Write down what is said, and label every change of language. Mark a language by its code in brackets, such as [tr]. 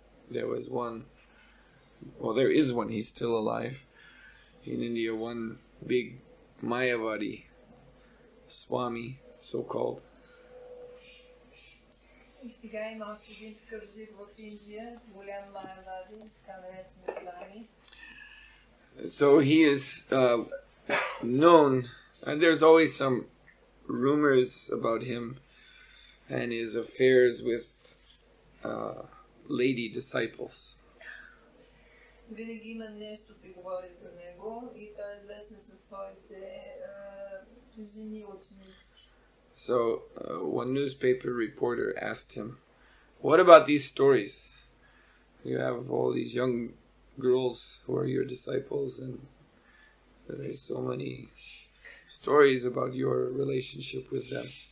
[en] There was one Well, there is one. He's still alive. In India, one big Mayavadi Swami, so-called. [bg] И сега има още един такъв жив в Индия, голям Майавади, така наречен Слами. [en] So he is known, and there's always some rumors about him and his affairs with lady disciples. [bg] Винаги има нещо се говори за него и той е известен със своите жени ученички. [en] So, one newspaper reporter asked him, what about these stories? You have all these young girls who are your disciples, and there are so many stories about your relationship with them.